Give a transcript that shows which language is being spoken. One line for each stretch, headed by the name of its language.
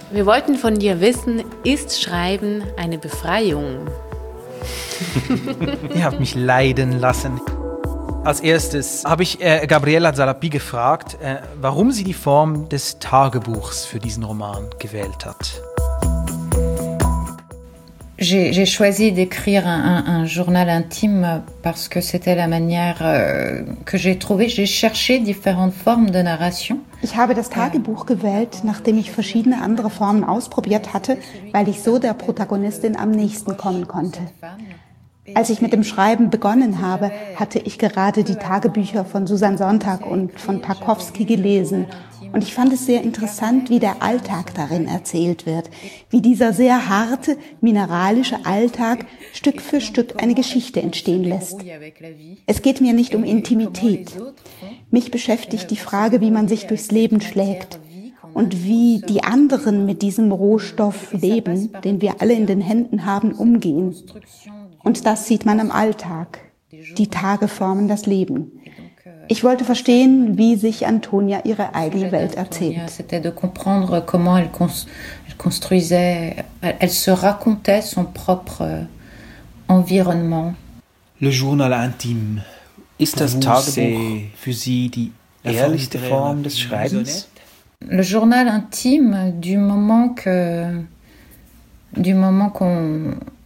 German: Wir wollten von dir wissen, ist Schreiben eine Befreiung? Ihr habt mich leiden lassen. Als erstes habe ich Gabriella Salapi gefragt, warum sie die Form des Tagebuchs für diesen Roman gewählt hat.
French: J'ai choisi d'écrire un journal intime parce que c'était la manière que j'ai trouvé. J'ai cherché différentes formes de narration.
German: Ich habe das Tagebuch gewählt, nachdem ich verschiedene andere Formen ausprobiert hatte, weil ich so der Protagonistin am nächsten kommen konnte. Als ich mit dem Schreiben begonnen habe, hatte ich gerade die Tagebücher von Susan Sontag und von Tarkowski gelesen. Und ich fand es sehr interessant, wie der Alltag darin erzählt wird, wie dieser sehr harte, mineralische Alltag Stück für Stück eine Geschichte entstehen lässt. Es geht mir nicht um Intimität. Mich beschäftigt die Frage, wie man sich durchs Leben schlägt und wie die anderen mit diesem Rohstoff Leben, den wir alle in den Händen haben, umgehen. Und das sieht man im Alltag. Die Tage formen das Leben. Ich wollte verstehen, wie sich Antonia ihre eigene Welt erzählt.
French: C'était de comprendre comment elle construisait, elle se racontait son propre environnement. Le journal intime.
German: Ist das Tagebuch für Sie die ehrlichste Form des Schreibens?
French: Le journal intime du moment que du moment qu'on